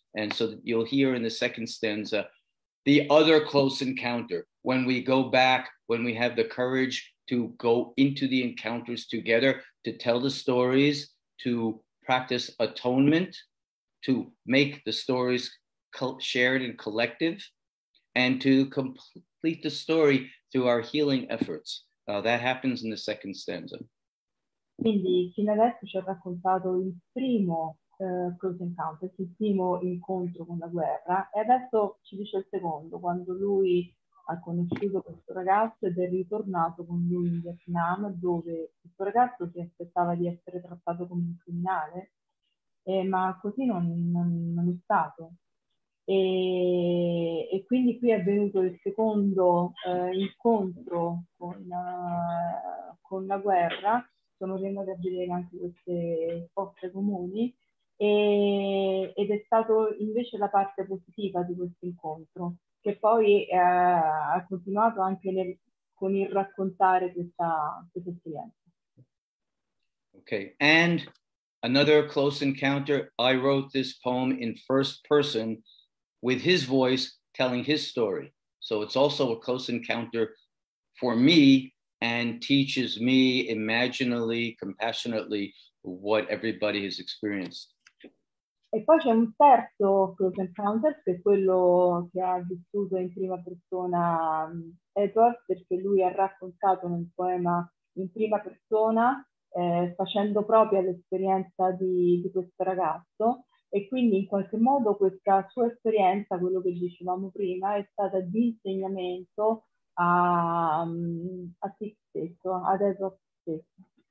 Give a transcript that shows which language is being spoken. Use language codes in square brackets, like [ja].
[en] And so you'll hear in the second stanza, the other close encounter, when we go back, when we have the courage to go into the encounters together, to tell the stories, to practice atonement, to make the stories shared and collective, and to complete the story through our healing efforts. That happens in the second stanza. [it] Quindi fino adesso ci ha raccontato il primo close encounter, il primo incontro con la guerra, e adesso ci dice il secondo, quando lui ha conosciuto questo ragazzo ed è ritornato con lui in Vietnam, dove questo ragazzo si aspettava di essere trattato come un criminale, ma così non è stato. E quindi qui è avvenuto il secondo incontro con la guerra. Sono venuti a vedere anche queste fosse comuni, ed è stato invece la parte positiva di questo incontro, che poi ha continuato anche con il raccontare questa esperienza. [en] Okay, and another close encounter, I wrote this poem in first person with his voice telling his story. So it's also a close encounter for me, and teaches me imaginally, compassionately, what everybody has experienced. [it] E poi c'è un terzo close encounter, che è quello che ha vissuto in prima persona Edward, perché lui ha raccontato nel poema in prima persona, facendo propria l'esperienza di questo ragazzo, e quindi in qualche modo questa sua esperienza, quello che dicevamo prima, è stata di insegnamento a se stesso, ad Edward stesso.